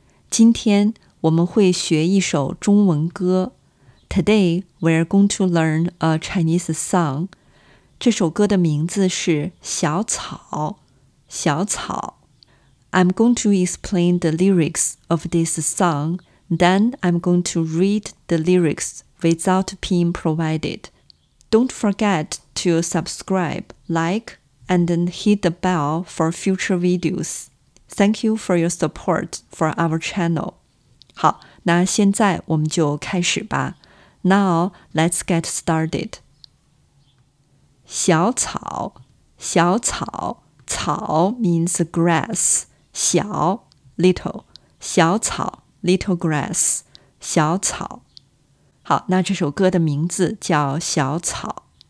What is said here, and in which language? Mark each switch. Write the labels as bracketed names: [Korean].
[Chinese] 今天我们会学一首中文歌。 [English] Today, we're going to learn a Chinese song. [Chinese] 这首歌的名字是小草，小草。 [English] I'm going to explain the lyrics of this song, then I'm going to read the lyrics without being provided. Don't forget to subscribe, like, and hit the bell for future videos. Thank you for your support for our channel. [Chinese] 好，那现在我们就开始吧。 [English] Now, let's get started. [Chinese] 小草，小草，草 [English] means grass. [Chinese] 小 little 小草 [English] little grass [Chinese] 小草好那这首歌的名字叫小草